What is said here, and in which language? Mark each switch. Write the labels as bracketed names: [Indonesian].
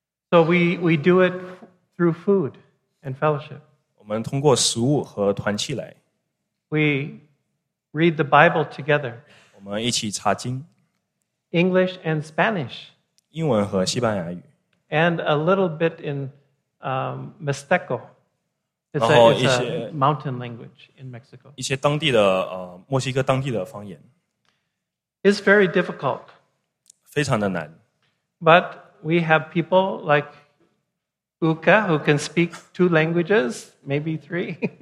[English] So we do it through food and fellowship. [Chinese] 我们通过食物和团契来。 [English] We read the Bible together. [Chinese] 我们一起查经。 [English] English and Spanish. [Chinese] 英文和西班牙语。 [English] And a little bit in Mixteco. It's a mountain language in Mexico. [Chinese] 一些墨西哥当地的方言。 [English] It's very difficult. [Chinese] 非常的难。 [English] But we have people like Uka, who can speak two languages, maybe three.